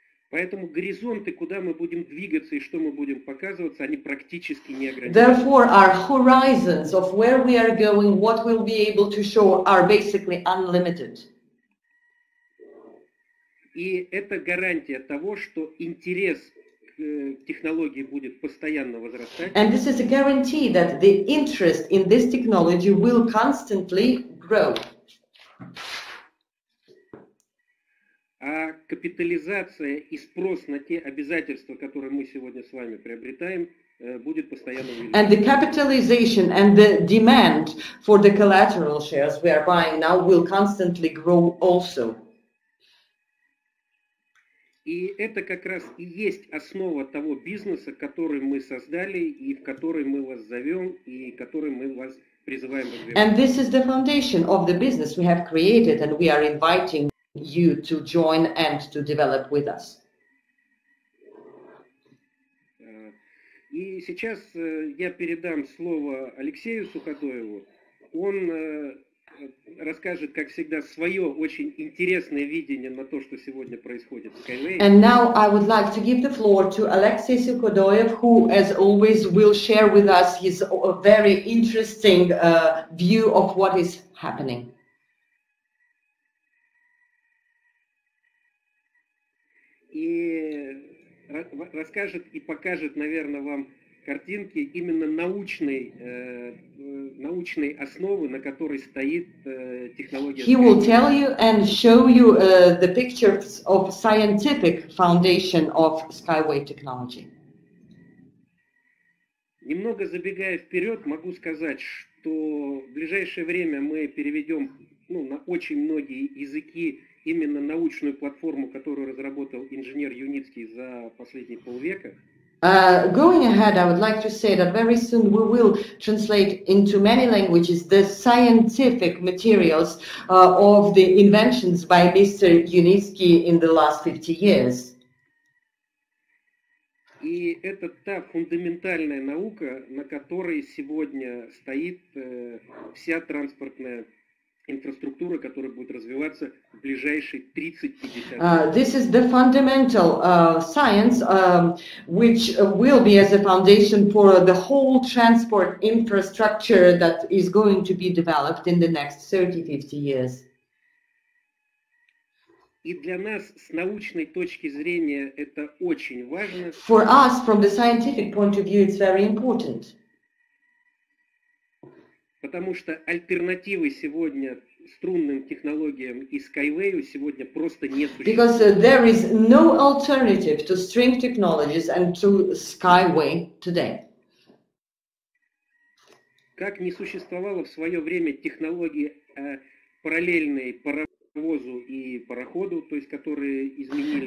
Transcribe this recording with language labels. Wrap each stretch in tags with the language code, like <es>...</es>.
<ru>Поэтому горизонты, куда мы будем двигаться и что мы будем показываться, они практически не ограничены.</ru> <en>Therefore, our horizons of where we are going, what we'll be able to show, are basically unlimited.</en> <ru>И это гарантия того, что интерес к технологии будет постоянно возрастать.</ru> <en>And this is a guarantee that the interest in this technology will constantly grow.</en> <ru>А капитализация и спрос на те обязательства, которые мы сегодня с вами приобретаем, будет постоянно увеличиваться.</ru> <en>And the capitalization and the demand for the collateral shares we are buying now will constantly grow also.</en> <ru>И это как раз и есть основа того бизнеса, который мы создали и в который мы вас зовем и который мы вас призываем развивать.</ru> <en>And this is the foundation of the business we have created and we are inviting you to join and to develop with us.</en> <ru>И сейчас я передам слово Алексею Суходоеву. Он расскажет, как всегда, свое очень интересное видение на то, что сегодня происходит в SkyWay.</ru> <en>And now I would like to give the floor to Alexey Sukhodoyev, who, as always, will share with us his very interesting view of what is happening.</en> <ru>И расскажет и покажет, наверное, вам картинки именно научной основы, на которой стоит технология.</ru> <en>He will tell you and show you the pictures of scientific foundation of SkyWay technology.</en> <ru>Немного забегая вперед, могу сказать, что в ближайшее время мы переведем на очень многие языки именно научную платформу, которую разработал инженер Юницкий за последние полвека.</ru> <en>Going ahead, I would like to say that very soon we will translate into many languages the scientific materials of the inventions by Mr. Юницкий in the last 50 years.</en> <ru>И это та фундаментальная наука, на которой сегодня стоит вся транспортная инфраструктура, которая будет развиваться в ближайшие 30-50 лет.</ru> <en>This is the fundamental science, which will be as a foundation for the whole transport infrastructure that is going to be developed in the next 30-50 years.</en> <ru>И для нас с научной точки зрения это очень важно.</ru> <en>For us, from the scientific point of view, it's very important.</en> <ru>Потому что альтернативы сегодня струнным технологиям и SkyWay сегодня просто нет.</ru> <en>Because there is no alternative to string technologies and to SkyWay today.</en> <ru>Как не существовало в свое время технологии параллельной паровозу и пароходу, то есть которые изменили.</ru>